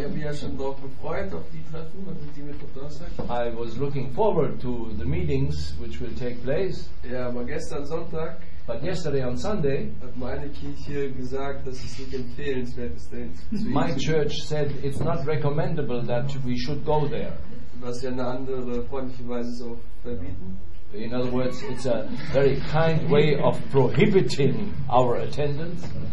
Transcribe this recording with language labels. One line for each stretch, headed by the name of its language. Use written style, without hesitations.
German: Ja, wir haben schon darauf gefreut auf die Treffen, wenn die mit
English: I was looking forward to the meetings which will take place.
German: Ja, aber gestern Sonntag.
English: But yesterday on Sunday.
German: Hat meine Kirche gesagt, dass es nicht empfehlenswert ist.
English: My church said it's not recommendable that we should go there.
German: Was ja eine andere freundliche Weise so verbieten.
English: In other words, it's a very kind way of prohibiting our attendance.